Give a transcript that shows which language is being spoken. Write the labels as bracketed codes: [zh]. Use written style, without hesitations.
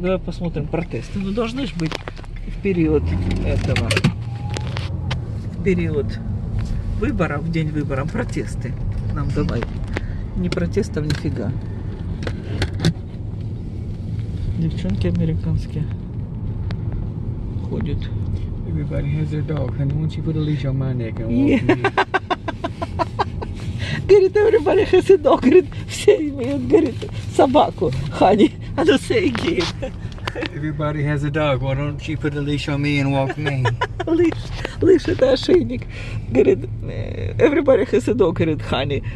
[ru] Давай посмотрим протесты. Ну, должны же быть в период этого... период выборов, день выборов, протесты нам давай. Не протестов, нифига. Девчонки американские ходят. [en] Everybody has their dog, honey. Won't you put a leash on my neck and walk me? [ru] Говорит, [en] everybody has a dog. [ru] Говорит, все имеют, говорит, собаку, [en] honey. [ru] А то [en] say again. Everybody has a dog. Why don't you put a leash on me and walk me? [ru] Лишь это ошейник. Говорит, [en] everybody has a dog, [ru] говорит, [en] honey.